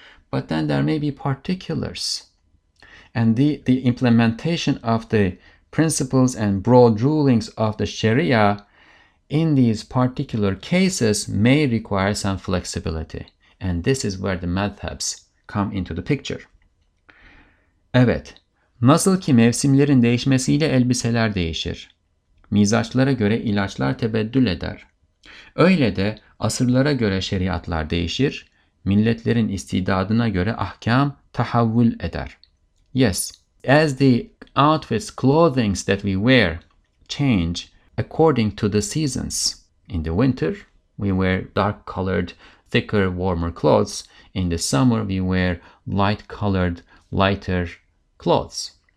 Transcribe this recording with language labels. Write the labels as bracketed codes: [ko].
[en] But then there may be particulars. And the implementation of the principles and broad rulings of the Sharia in these particular cases may require some flexibility. And this is where the madhabs come into the picture. [tr] Evet, nasıl ki mevsimlerin değişmesiyle elbiseler değişir. Mizaçlara göre ilaçlar tebeddül eder. Öyle de asırlara göre şeriatlar değişir, milletlerin istidadına göre ahkam tahavvül eder. [en] Yes, as the outfits, clothings that we wear change according to the seasons. In the winter, we wear dark-colored, thicker, warmer clothes. In the summer, we wear light-colored, lighter clothes.